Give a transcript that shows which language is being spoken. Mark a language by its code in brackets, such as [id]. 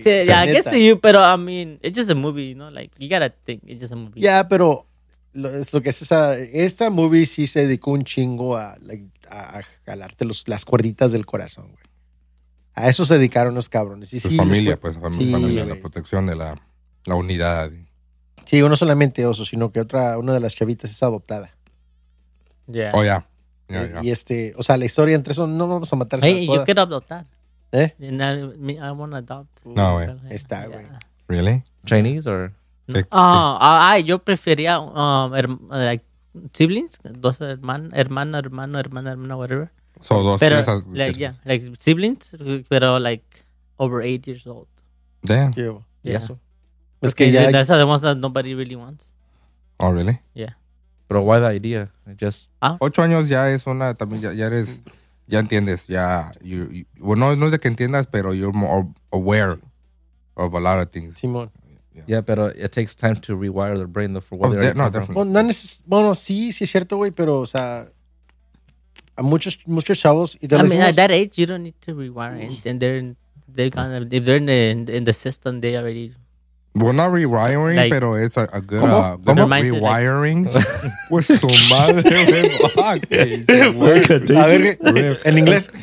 [en] Yeah, I guess to you, pero I mean, it's just a movie, you know? Like, you gotta think, it's just a movie. [es] Yeah, pero es lo que es, o sea, esta movie sí se dedicó un chingo a jalarte las cuerditas del corazón, güey. A eso se dedicaron los cabrones. Y, pues sí, familia, después, pues, familia, sí, la protección de la unidad. Sí, no solamente Oso, sino que una de las chavitas es adoptada. [en] Yeah. [es] Oh, ya. [en] Yeah. Yeah, [es] y este, o sea, la historia entre eso, no vamos a matar. [en] Hey, you could adopt that. ¿Eh? I want to adopt. [es] No, güey. Está, güey. [en] Yeah. ¿Really? ¿Chinese or? [es] Yo prefería like siblings, dos hermano, whatever. So, dos. Pero, esas, [en] like, yeah, like siblings, pero like over 8 years old. Damn. Yeah. [es] Es que ya. [en] That's the ones that nobody really wants. Oh, really? Yeah. Pero why the idea? Just [es] 8 años ya es una, también ya eres, ya entiendes, ya, bueno, well, no es de que entiendas, pero [en] you're more aware of a lot of things. [es] Simón. [en] Yeah, pero it takes time to rewire their brain, though, for what they're no, definitely. [es] Bueno, sí es cierto, güey, pero, o sea, a muchos chavos, [en] y de I mean, at that age, you don't need to rewire it, and they're kind of, if they're in the system, they already... Well, not rewiring, like, pero it's a good, good rewiring. Like, with su madre, we fuck. [es] A ver, en inglés.